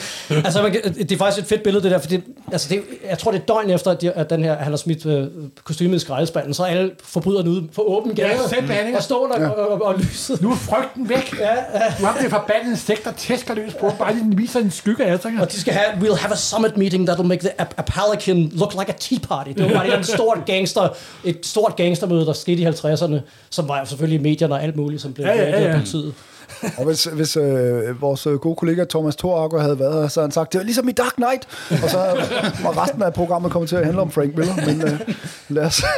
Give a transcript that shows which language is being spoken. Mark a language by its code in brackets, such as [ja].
[da] Altså, det er faktisk et fedt billede, det der. Fordi, altså, jeg tror, det er døgn efter, at den her, han har smidt kostymet i skraldespanden, så er alle forbryderne ude på åben gade. Ja, sæt banding. Og står der og lyset. Nu er frygten væk. Du har det forbandet sekt, der tæsker løs på. Bare lige den viser en skygge af, og de skal have, [en] we'll have a summit meeting that'll make the Apalachin look like a tea party. [da] Det var bare et stort gangstermøde, der skete i 50'erne, som var selvfølgelig medierne og alt muligt. Som blev politiet. Og hvis vores gode kollega Thomas Thorager havde været her, så havde han sagt, det var ligesom i Dark Knight, og så var resten af programmet kommet til at handle om Frank Miller, men lad os.